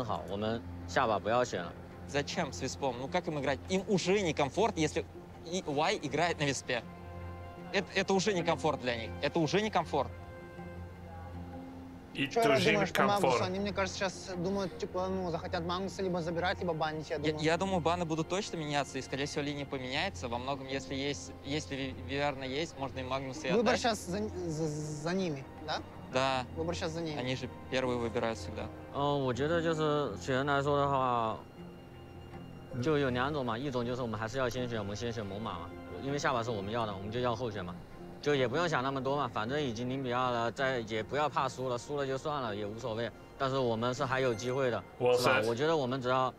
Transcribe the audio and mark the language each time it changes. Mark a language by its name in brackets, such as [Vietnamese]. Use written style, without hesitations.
[Chinese] 就是我来说一下我看下来的感受吧，就是然后你们再说打的感受。我觉得首先我们美版就是我们对精灵体系就是有误解，我们这样配的不是很好，我们下把不要选了。 [Russian] Зачем с виспом? Ну как им играть? Им уже не комфорт, если Y играет на виспе. Это уже не комфорт для них. Это уже не комфорт. И что же не комфорт? Они, мне кажется, сейчас думают, типа, ну, захотят Магнуса либо забирать, либо банить, я думаю. Я думаю, баны будут точно меняться, и, скорее всего, линия поменяется. Во многом, если есть, если Виверна есть, можно и Магнуса и отдать. Выбор сейчас за ними, да? Да. Они же первые выбираются,да。 [Chinese] 我觉得就是选人来说的话，就有两种嘛，一种就是我们还是要先选，我们先选猛犸嘛，因为下把是我们要的，我们就要后选嘛，就也不用想那么多嘛，反正已经零比二了，再也不要怕输了，输了就算了，也无所谓。但是我们是还有机会的，是吧？我觉得我们只要